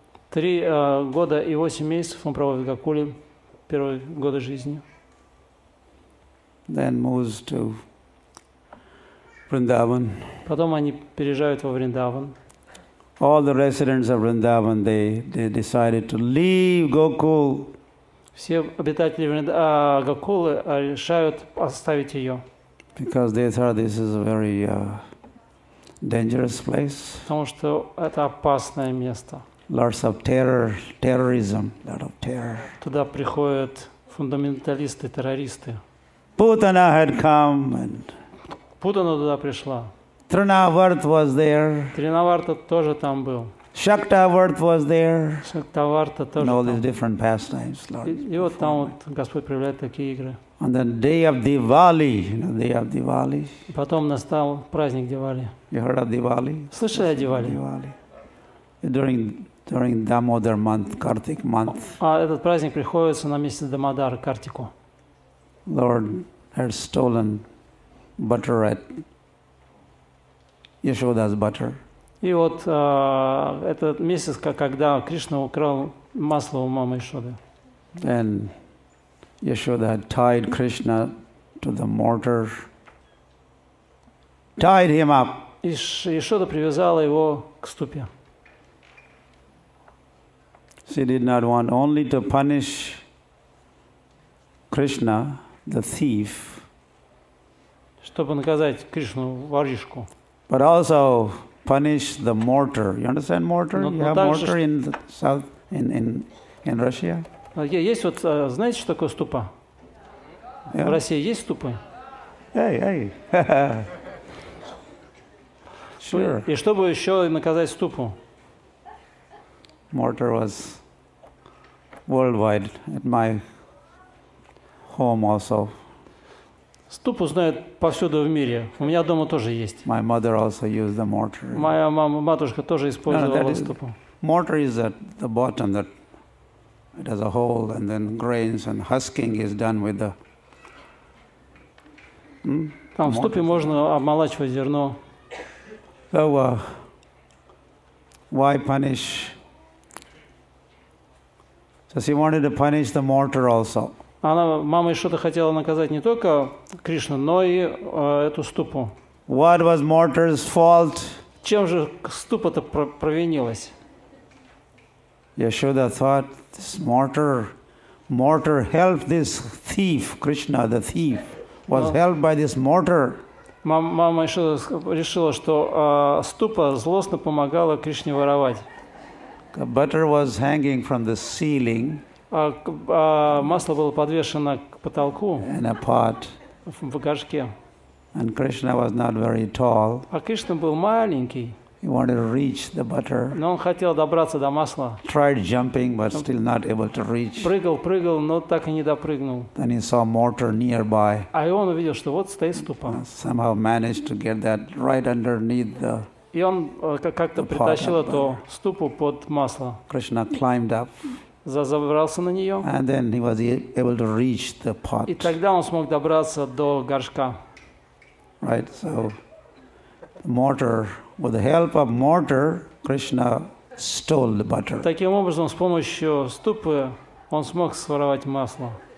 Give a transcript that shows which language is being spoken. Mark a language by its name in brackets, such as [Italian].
[Russian] 3 года и 8 месяцев он проводит в Гокуле первые годы жизни. [English] Then moves to Vrindavan. [Russian] Потом они переезжают во Вриндаван. [English] All the residents of Vrindavan, they decided to leave Gokul. [Russian] Все обитатели Гокулы решают оставить ее. [English] Because they thought this is a very dangerous place. [Russian] Потому что это опасное место. [English] lords of terror, terrorism, lord of terror. [Russian] Туда приходят фундаменталисты, террористы. [English] Путана had come and [Russian] Путана туда пришла. [English] Тринаварт was there. [Russian] Тринаварта тоже там был. [English] Шактаварт was there. [Russian] Шактаварта тоже. [English] And all these different pastimes, Lord. [Russian] И вот там вот Господь проявляет такие игры. [English] On the day of Diwali, you know, day of Diwali. [Russian] Потом настал праздник Дивали. [English] You heard of Diwali? [Russian] Слышали о Дивали? [English] Diwali. During Damodar month, Kartik month. [Russian] А этот праздник приходится на месяц Дамодар, Картику. [English] Lord had stolen butter at Yashoda's butter. [Russian] И вот этот месяц, когда Кришна украл масло у мамы Ишоды. [English] And Yashoda had tied Krishna to the mortar, tied him up. [Russian] Ишода привязала его к ступе. [English] She did not want only to punish Krishna, the thief. [Russian] Чтобы наказать Кришну, воришку. [English] But also punish the mortar. You understand mortar? You have mortar in the south, in Russia? [Russian] Есть вот, знаете, что такое ступа? Yeah. В России есть ступы? Hey, hey. [English] Sure. [Russian] И чтобы еще наказать ступу? [English] Mortar was worldwide at my home also. [Russian] Ступу знают повсюду в мире. У меня дома тоже есть. [English] My mother also used the mortar. [Russian] Моя мама, матушка тоже использовала ступу. [English] Mortar is at the bottom that it has a hole, and then grains and husking is done with the. [Russian] Там в ступе можно обмолачивать зерно. [English] So, why punish? So she wanted to punish the mortar also. [Russian] Она, мама Ишода хотела наказать не только Кришну, но и эту ступу. [English] What was mortar's fault? [Russian] Чем же ступа-то провинилась? [English] Yashoda thought this mortar helped this thief, Krishna, the thief, was helped by this mortar. [Russian] Мама Ишода решила, что ступа злостно помогала Кришне воровать. [English] Butter was hanging from the ceiling. [Russian] Масло было подвешено к потолку в горшке. [English] And Krishna was not very tall. [Russian] А Кришна был маленький. [English] He wanted to reach the butter. [Russian] Но он хотел добраться до масла. [English] Tried jumping, but still not able to reach. [Russian] Прыгал, но так и не допрыгнул. [English] Then he saw mortar nearby. [Russian] А он увидел, что вот стоит ступа. [English] Somehow managed to get that right underneath the. [Russian] И он как-то притащил эту ступу под масло. [English] Krishna climbed up. [Russian] Забрался на нее. [English] And then he was able to reach the pot. [Russian] И тогда он смог добраться до горшка. [English] Right, so mortar, with the help of mortar, Krishna stole the butter. [Russian] Таким образом, с помощью ступы он смог своровать масло.